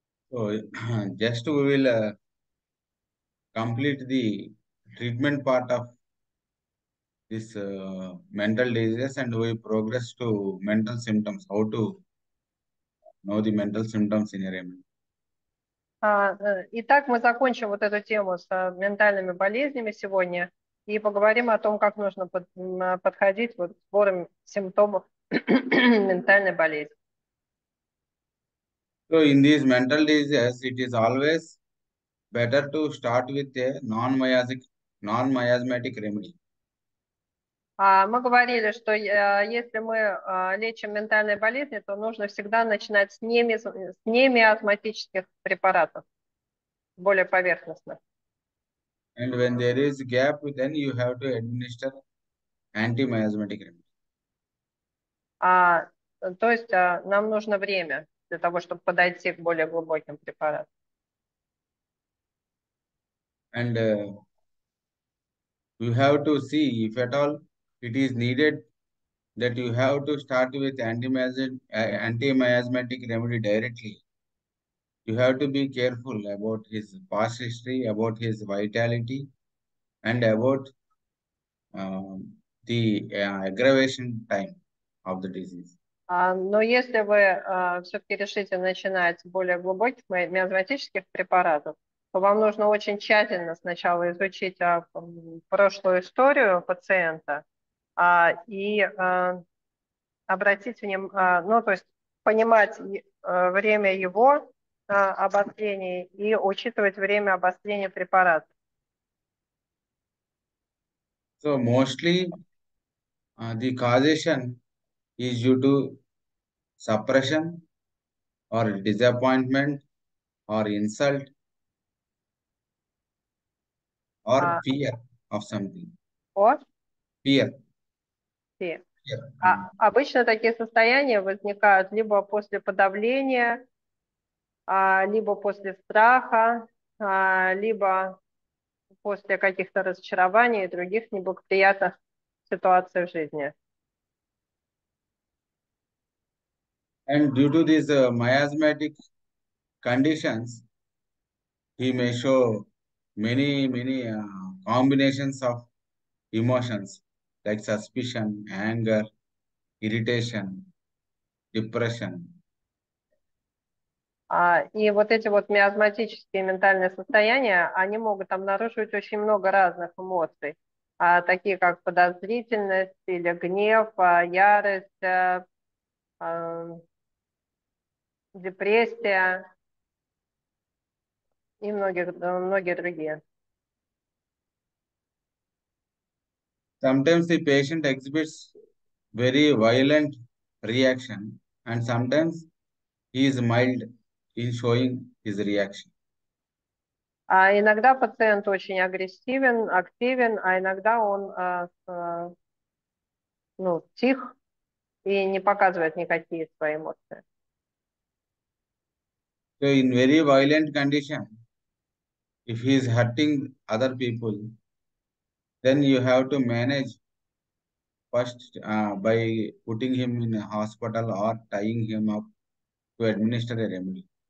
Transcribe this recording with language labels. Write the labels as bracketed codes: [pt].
[en] So, just we will complete the treatment part of this mental disease, and we progress to mental symptoms. How to know the mental symptoms in your mind? [ru] Итак, мы закончим вот эту тему с ментальными болезнями сегодня и поговорим о том, как нужно подходить вот к сбору симптомов ментальной болезни. [en] So in these mental diseases, it is always better to start with a non-miasmatic remedy. [ru] Мы говорили, что если мы лечим ментальные болезни, то нужно всегда начинать с немиазматических препаратов, более поверхностных. [en] And when there is gap, then you have to administer anti-miasmatic remedy. [ru] То есть нам нужно время для того, чтобы подойти к более глубоким препаратам. [en] And you have to see if at all it is needed that you have to start with anti-miasmatic remedy directly. You have to be careful about his past history, about his vitality, and about the aggravation time of the disease. [ru] Но если вы все-таки решите начинать с более глубоких миазматических препаратов, то вам нужно очень тщательно сначала изучить прошлую историю пациента обратить в нем, ну, то есть понимать время его обострения и учитывать время обострения препарата. [en] So mostly the causation is due to suppression or disappointment or insult or fear of something. Fear. Fear. [ru] Обычно такие состояния возникают либо после подавления, либо после страха, либо после каких-то разочарований и других неблагоприятных ситуаций в жизни. [en] And due to these miasmatic conditions, he may show many, many combinations of emotions like suspicion, anger, irritation, depression. [ru] И вот эти вот миазматические ментальные состояния, они могут обнаруживать очень много разных эмоций, такие как подозрительность или гнев, ярость, депрессия и многие другие. [en] Sometimes the patient exhibits very violent reaction, and sometimes he is mild in showing his reaction. [ru] А иногда пациент очень агрессивен, активен, а иногда он ну, тих и не показывает никакие свои эмоции. [en] So in very violent condition, if he is hurting other people, then you have to manage first by putting him in a hospital or tying him up to administer a remedy.